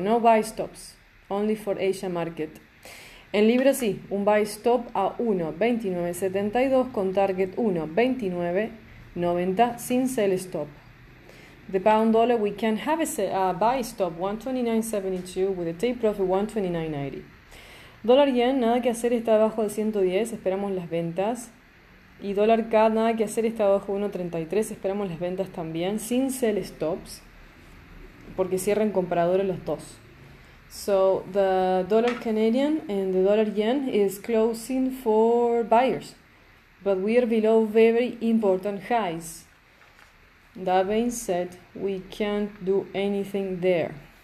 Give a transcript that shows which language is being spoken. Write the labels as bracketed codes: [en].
[en] No buy stops, only for Asia market. [es] En libra sí, un buy stop a 1.2972 con target 1.29. 90 sin sell stop. [en] The pound dollar, we can have a sell, buy stop 129.72 with a take profit 129.90. [es] Dólar yen, nada que hacer, está abajo de 110, esperamos las ventas. Y dólar CAD, nada que hacer, está abajo de 1.33, esperamos las ventas también, sin sell stops, porque cierran compradores los dos. [en] So the dollar Canadian and the dollar yen is closing for buyers. But we are below very important highs. That being said, we can't do anything there.